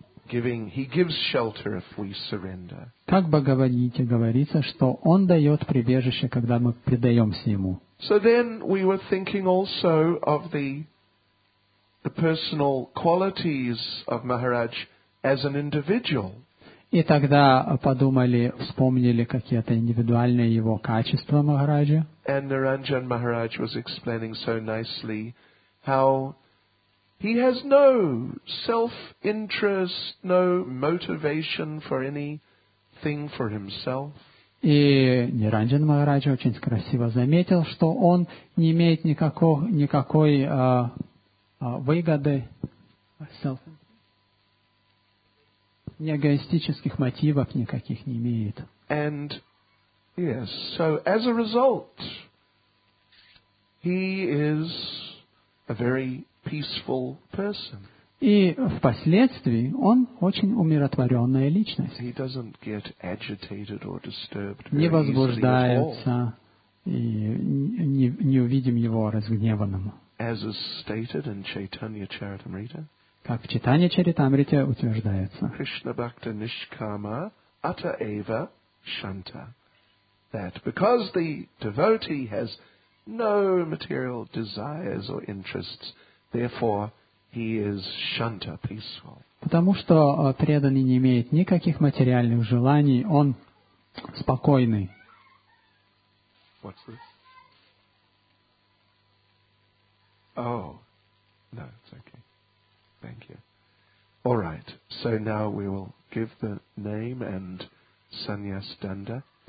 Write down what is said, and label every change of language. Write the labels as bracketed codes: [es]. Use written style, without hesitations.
[en] Giving, he gives shelter if we surrender. [ru] Как Бхагавад Гите говорится, что он дает прибежище, когда мы предаемся ему. [en] So then we were thinking also of the personal qualities of Maharaj as an individual. [ru] И тогда подумали, вспомнили какие-то индивидуальные его качества Махараджа. [en] And Niranjan Maharaj was explaining so nicely how he has no self-interest, no motivation for anything for himself. [ru] И Ниранджан Махарадж очень красиво заметил, что он не имеет никакой выгоды. Ни эгоистических мотивов никаких не имеет. [en] And yes, so as a result, he is a very peaceful person. [ru] И впоследствии он очень умиротворенная личность. [en] He doesn't get agitated or disturbed. [ru] Не возбуждается, и не увидим его разгневанным. [en] As is stated in Chaitanya Charitamrita. [ru] Как в читании Чаритамрите утверждается. [bn] Krishna Bhakta Nishkama Ata Eva Shanta. [en] That because the devotee has no material desires or interests, therefore he is shanta, peaceful. [ru] Потому что преданный не имеет никаких материальных желаний, он спокойный. [en] What's this? Oh, no, it's okay. Thank you. All right, so now we will give the name and sannyas danda.